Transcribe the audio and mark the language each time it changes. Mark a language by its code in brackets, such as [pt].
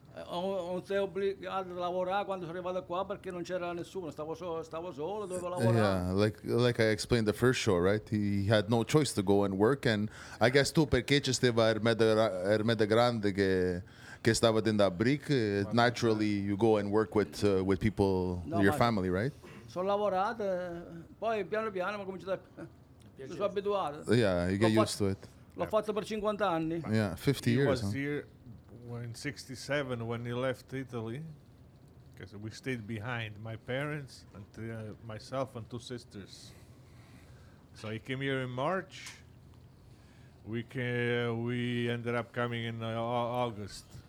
[it] Non sei obbligato a lavorare quando sono arrivato qua perché non c'era nessuno. Stavo solo, dovevo lavorare. [en] Yeah, like I explained the first show, right? He had no choice to go and work. And I guess [it] tu perché ci stava Ermeda Grande che stava [en] in that brick, naturally you go and work with people, no, your family, right? [it] Sono lavorato, poi piano piano mi ho cominciato a... Mi sono abituato. [en] Yeah, you get used to it. [it] L'ho fatto per 50 anni. [en] Yeah, 50 he years. He was here in 67 when he left Italy, because we stayed behind, my parents, and myself and two sisters. So he came here in March. We ended up coming in August.